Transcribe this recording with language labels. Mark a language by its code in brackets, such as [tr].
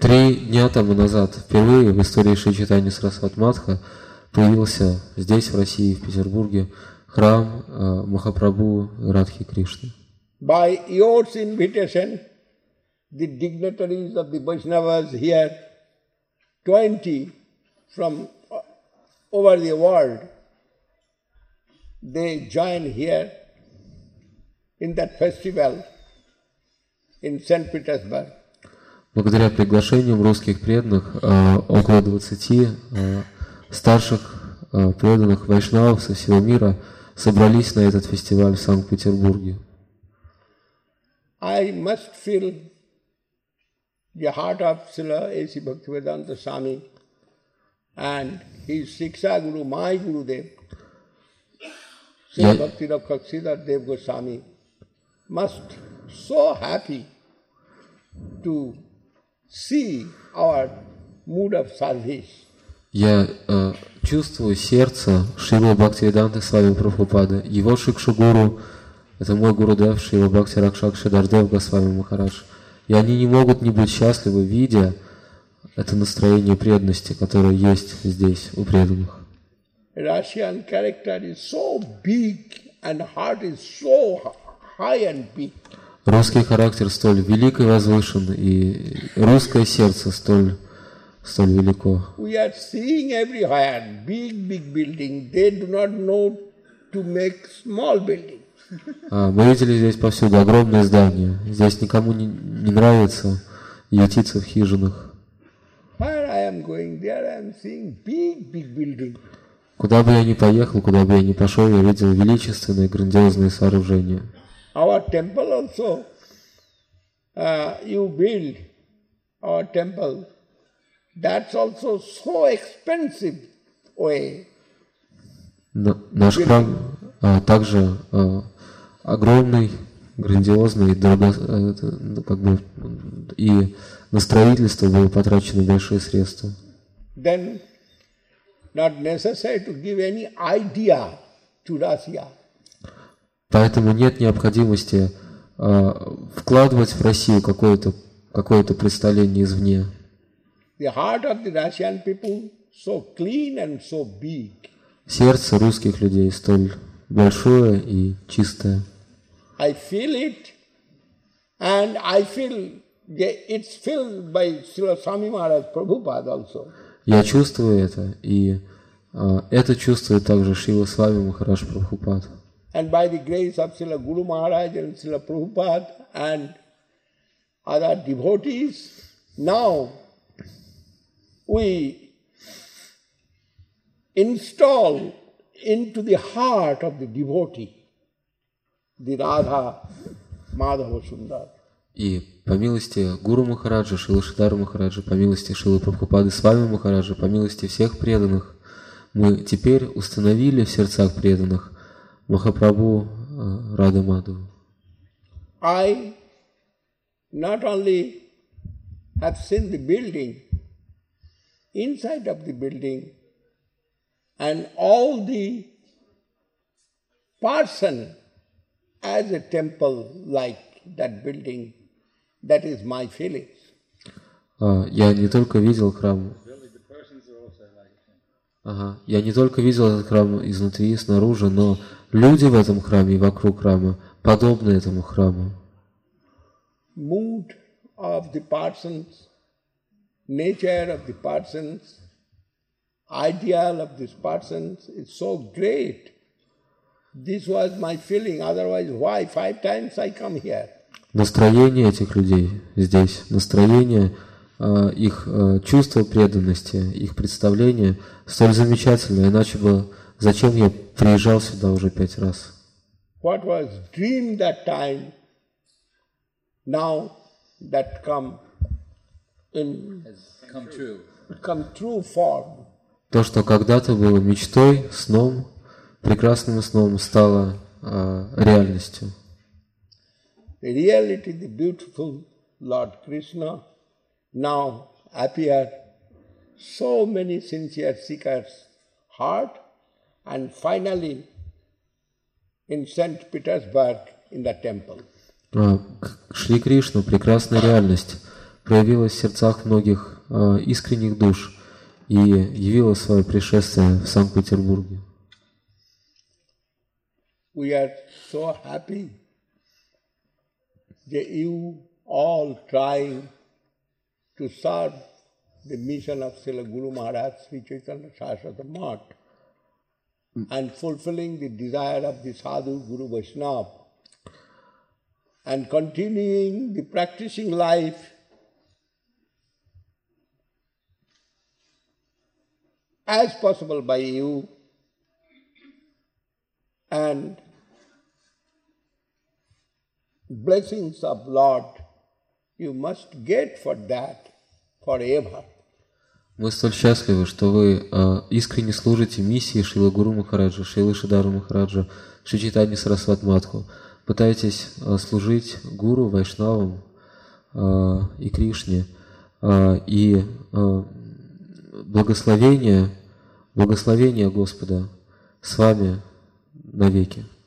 [ru] Три дня тому назад впервые в истории Шри Чайтаньи Сарасвати Матха появился здесь, в России, в Петербурге, храм Махапрабху Радхи Кришны. [en] By your invitation, the dignitaries of the Vaishnavas here, 20 from over the world, they join here in that festival in Saint Petersburg. [ru] Благодаря приглашениям русских преданных, около 20 старших преданных вайшнавов со всего мира собрались на этот фестиваль в Санкт-Петербурге. [en] I must feel the heart of Srila A.C. Bhaktivedanta Swami and his Shiksha Guru, my Guru Dev, Srila Bhakti Rakshak Sridhar Dev Goswami, must so happy to see our mood of service. [ru] Я чувствую сердце Шрилы Бхактивиданты Свами Прабхупада, его Шикшагуру, это мой Гурудев, Шрила Бхакти Ракшак Шидардев Госвами Махарадж. И они не могут не быть счастливы, видя это настроение преданности, которое есть здесь, у преданных. [en] Russian character is so big and heart is so high and big. [ru] Русский характер столь велик и возвышен, и русское сердце столь велико. [en] We are seeing everywhere big building. They do not know to make small building. [ru] Мы видели здесь повсюду огромные здания. Здесь никому не нравится ютиться в хижинах. [en] Where I am going, there I am seeing big building. [ru] Куда бы я ни поехал, куда бы я ни пошел, я видел величественные, грандиозные сооружения. [en] Our temple also, you build our temple. That's also so expensive way. [ru] Наш храм, также огромный, грандиозный, как бы, и на строительство было потрачено большие средства. [en] Then not necessary to give any idea to Russia. [ru] Поэтому нет необходимости вкладывать в Россию какое-то представление извне. [en] The heart of the Russian people so clean and so big. [ru] Сердце русских людей столь большое и чистое. [en] I feel it, and I feel it's filled by Srila Swami Maharaj Prabhupada also. [ru] Я чувствую это, и это чувствует также Шрила Свами Махарадж Прабхупад. [en] And by the grace of Srila Guru Maharaj and Srila Prabhupada and other devotees, now we install into the heart of the devotee the Radha Madhava Sundar. [ru] И по милости Гуру Махараджа, Шрилы Шридхара Махараджа, по милости Шрилы Прабхупады Свами Махараджа, по милости всех преданных, мы теперь установили в сердцах преданных Махапрабху Радха Мадхаву. [en] I not only have seen the building, inside of the building, and all the person as a temple like that building. That is my feeling. [ru] Я не только видел храм. Я не только видел этот храм изнутри и снаружи, но люди в этом храме и вокруг храма подобны этому храму. [en] Mood of the persons, nature of the persons, ideal of these persons is so great. This was my feeling. Otherwise, why five times I come here? [ru] Настроение этих людей здесь, настроение их чувства преданности, их представления столь замечательно, иначе бы зачем я приезжал сюда уже пять раз? [en] What was dream that time, now that come in come true form. [ru] То, что когда-то было мечтой, сном, прекрасным сном, стало реальностью. [en] The reality, the beautiful Lord Krishna, now appear so many sincere seekers' heart, and finally in St. Petersburg in the temple. [ru] Шри Кришна, прекрасная реальность, проявилась в сердцах многих искренних душ и явила свое пришествие в Санкт-Петербурге. [en] We are so happy. That you all trying to serve the mission of Srila Guru Maharaj Sri Chaitanya Saraswati Math and fulfilling the desire of the Sadhu Guru Vaishnav and continuing the practicing life as possible by you and blessings of Lord, you must get for that forever. [ru] Мы столь счастливы, что вы искренне служите миссии Шрилы Гуру Махараджа, Шрилы Шридхара Махараджа, Шри Чайтаньи Сарасвати Матху. Пытаетесь служить Гуру, Вайшнавам и Кришне. И благословение Господа с вами навеки.